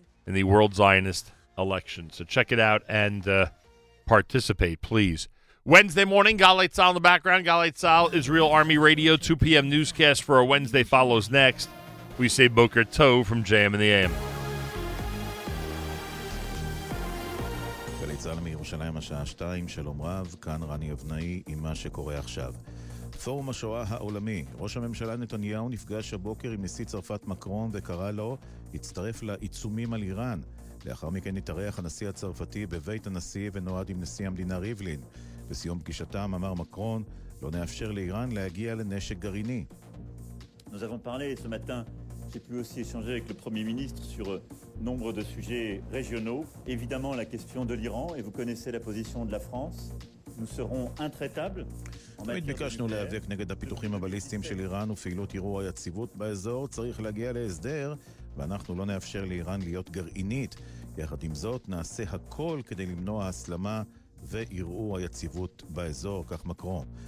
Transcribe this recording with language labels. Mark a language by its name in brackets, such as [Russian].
[English] In the World Zionist election. So check it out and participate, please. Wednesday morning, Galei Tzal in the background. Galei Tzal, Israel Army Radio, 2 p.m. newscast for a Wednesday follows next. We say Boker Tov from JM in the AM. Galei Tzal in Yerushalayim, [Hebrew] השעה 2, שלום רב, כאן רני אבנאי, עם מה שקורה עכשיו. פורום השואה העולמי, ראש הממשלה נתניהו נפגש הבוקר עם נשיא צרפת מקרון וקרא לו, הצטרף לעיצומים על איראן. לאחר מכן התארח הנשיא הצרפתי בבית הנשיא ונועד עם נשיא המדינה ריבלין. בסיום פגישתם אמר מקרון, לא נאפשר לאיראן להגיע לנשק גרעיני. [French] Nous avons parlé ce matin, j'ai pu aussi échanger avec le premier ministre sur nombre de sujets régionaux. Évidemment la question de l'Iran, et vous connaissez la position de la France. Nous serons intraitables. [Hebrew] תמיד ביקשנו להיאבק נגד הפיתוחים הבליסטיים של איראן ופעילות עירור היציבות באזור. צריך להגיע להסדר, ואנחנו לא נאפשר לאיראן להיות גרעינית. יחד עם זאת, נעשה הכל כדי למנוע הסלמה ועירור היציבות באזור, כך מקרון.